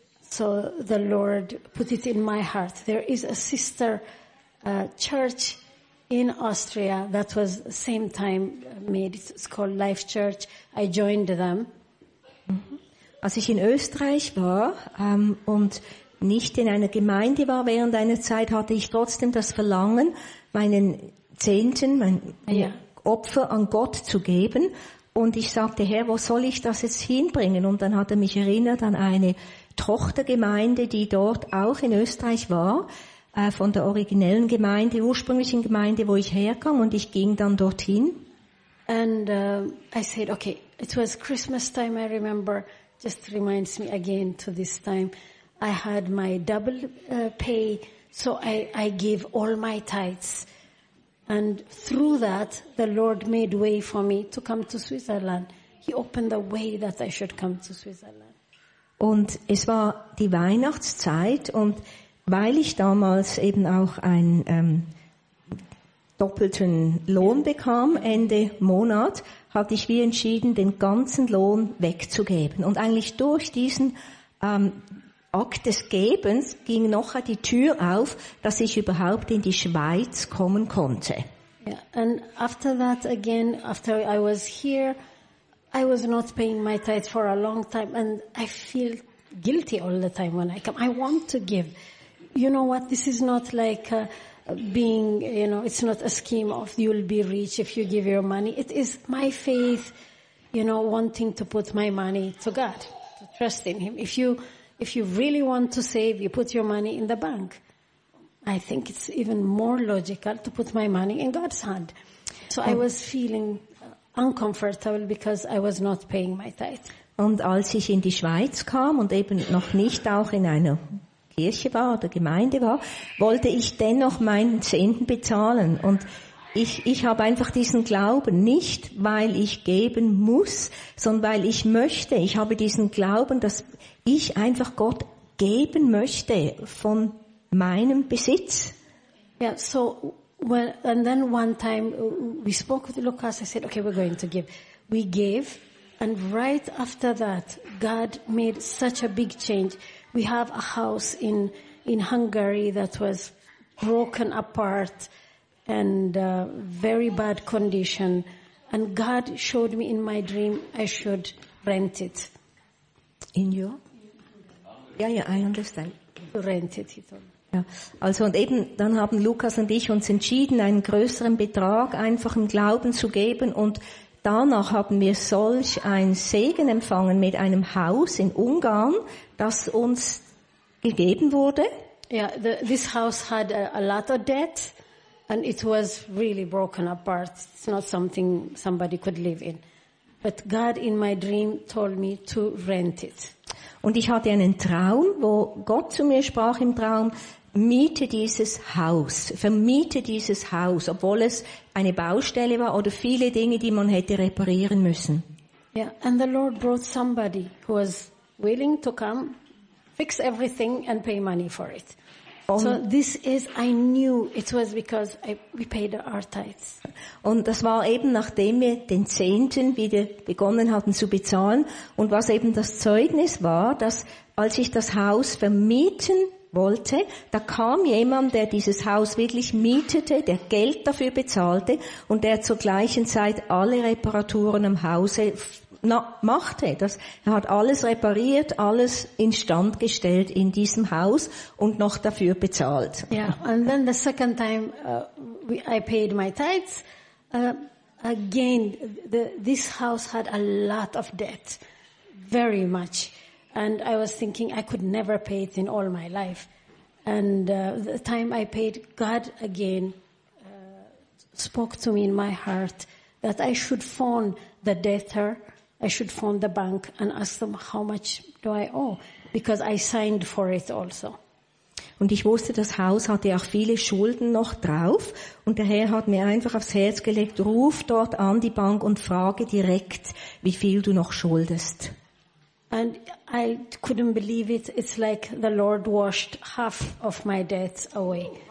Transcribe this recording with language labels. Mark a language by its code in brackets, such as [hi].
[en] So the Lord put it in my heart. There is a sister church in Austria that was same time made. It's called Life Church. I joined them. [de] Als ich in Österreich war und nicht in einer Gemeinde war während einer Zeit, hatte ich trotzdem das Verlangen, meinen Zehnten, mein Opfer an Gott zu geben. Und ich sagte, Herr, wo soll ich das jetzt hinbringen? Und dann hat er mich erinnert an eine Tochtergemeinde, die dort auch in Österreich war, von der originellen Gemeinde, ursprünglichen Gemeinde, wo ich herkam. Und ich ging dann dorthin. [en] And I said, okay, it was Christmas time, I remember. Just reminds me again to this time. I had my double pay, so I gave all my tithes. And through that, the Lord made way for me to come to Switzerland. He opened the way that I should come to Switzerland. [de] Und es war die Weihnachtszeit, und weil ich damals eben auch einen doppelten Lohn bekam, Ende Monat, hatte ich wie entschieden, den ganzen Lohn wegzugeben. Und eigentlich durch diesen Akt des Gebens ging noch die Tür auf, dass ich überhaupt in die Schweiz kommen konnte. [en] Yeah. And after that again, after I was here, I was not paying my tithe for a long time, and I feel guilty all the time when I come. I want to give. You know what? This is not like being, you know, it's not a scheme of you'll be rich if you give your money. It is my faith, you know, wanting to put my money to God, to trust in Him. If you really want to save, you put your money in the bank. I think it's even more logical to put my money in God's hand. So I was feeling uncomfortable because I was not paying my tithe. [de] Und als ich in die Schweiz kam und eben noch nicht auch in einer Kirche war oder Gemeinde war, wollte ich dennoch meinen Zehnten bezahlen. Und ich habe einfach diesen Glauben, nicht weil ich geben muss, sondern weil ich möchte. Ich habe diesen Glauben, dass ich einfach Gott geben möchte von meinem Besitz. [en] Yeah, so, well, and then one time we spoke with Lucas, I said, okay, we're going to give. We gave, and right after that, God made such a big change. We have a house in Hungary that was broken apart and very bad condition. And God showed me in my dream I should rent it. In your? Yeah, I understand. To rent it, he told me. [de] Ja, also und eben dann haben Lukas und ich uns entschieden, einen größeren Betrag einfach im Glauben zu geben. Und danach haben wir solch ein Segen empfangen mit einem Haus in Ungarn, das uns gegeben wurde. [en] Yeah, this house had a lot of debt, And it was really broken apart. It's not something somebody could live in. But God in my dream told me to rent it. [de] Und ich hatte einen Traum, wo Gott zu mir sprach im Traum, miete dieses Haus, vermiete dieses Haus, obwohl es eine Baustelle war oder viele Dinge, die man hätte reparieren müssen. [en] Yeah, and the Lord brought somebody who was willing to come, fix everything and pay money for it. So this is, I knew it was because we paid our tithes. [de] Und das war eben, nachdem wir den Zehnten wieder begonnen hatten zu bezahlen. Und was eben das Zeugnis war, dass als ich das Haus vermieten wollte, da kam jemand, der dieses Haus wirklich mietete, der Geld dafür bezahlte und der zur gleichen Zeit alle Reparaturen am Hause machte. Er hat alles repariert, alles instand gestellt in diesem Haus und noch dafür bezahlt. [en] Ja, yeah, and then the second time I paid my tithes, again, this house had a lot of debt, very much. And I was thinking, I could never pay it in all my life. And the time I paid, God again spoke to me in my heart that I should phone the debtor, I should phone the bank and ask them, how much do I owe? Because I signed for it also. [de] Und ich wusste, das Haus hatte auch viele Schulden noch drauf. Und der Herr hat mir einfach aufs Herz gelegt, ruf dort an die Bank und frage direkt, wie viel du noch schuldest. [en] And I couldn't believe it. It's like the Lord washed half of my debts away.